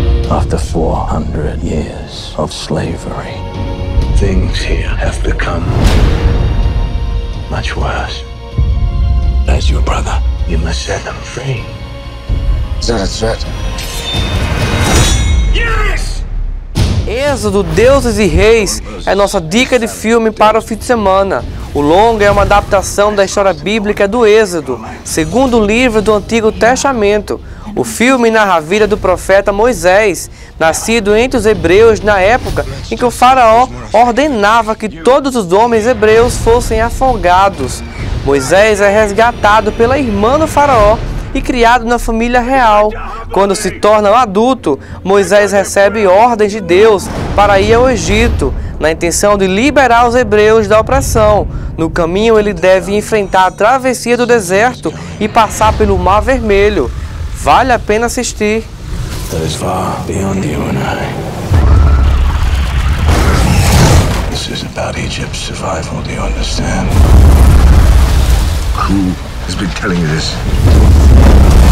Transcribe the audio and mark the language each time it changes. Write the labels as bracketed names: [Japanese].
[English] After 400 years of slavery, things here have become much worse. As your brother, you must set them free. Is that a threat? Yes! [Portuguese] Êxodo, Deuses e Reis é nossa dica de filme para o fim de semana. O longa é uma adaptação da história bíblica do Êxodo, segundo o livro do Antigo Testamento. O filme narra a vida do profeta Moisés, nascido entre os hebreus na época em que o faraó ordenava que todos os homens hebreus fossem afogados. Moisés é resgatado pela irmã do faraó e criado na família real. Quando se torna um adulto, Moisés recebe ordens de Deus para ir ao Egito, na intenção de liberar os hebreus da opressão. No caminho, ele deve enfrentar a travessia do deserto e passar pelo Mar Vermelho. Vale a pena assistir. [English] That is far beyond you and I. This is about Egypt's survival, do you understand? Who has been telling you this?